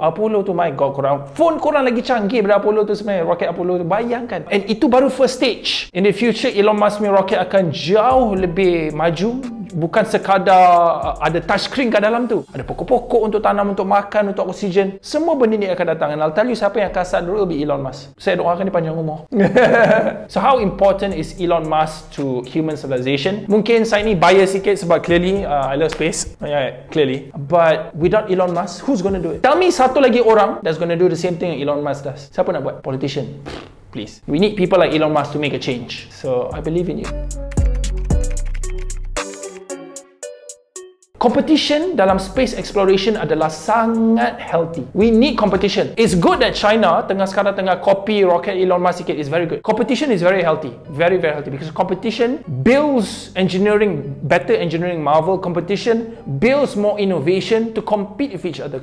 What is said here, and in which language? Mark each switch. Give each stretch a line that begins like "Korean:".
Malay: Apollo tu, my god, korang, phone korang lagi canggih daripada Apollo tu sebenarnya. Roket Apollo tu, bayangkan. And itu baru first stage.
English: In the future,
Malay: Elon Musk punya roket akan jauh lebih maju. Bukan sekadar ada touch screen kat dalam tu, ada pokok-pokok untuk tanam, untuk makan, untuk oksigen. Semua benda ni akan datang.
English: And I'll tell you
Malay: siapa yang akan start dulu,
English: will be
Malay: Elon Musk. Saya doakan dia panjang umur.
English: So how important is Elon Musk to human civilization?
Malay: Mungkin saya ni bias sikit sebab
English: clearly I love space. Clearly. But without Elon Musk, who's going to do it? Tell me
Malay: satu lagi orang
English: that's going to do the same thing Elon Musk does.
Malay: Siapa nak buat?
English: Politician. Please. We need people like Elon Musk to make a change. So I believe in you.
Malay: Competition dalam space exploration adalah sangat healthy.
English: We need competition. It's good that China
Malay: sekarang tengah
English: copy rocket Elon Musk
Malay: sikit.
English: It's very good. Competition is very healthy. Very, very healthy. Because competition builds engineering, better engineering marvel. Competition builds more innovation to compete with each other.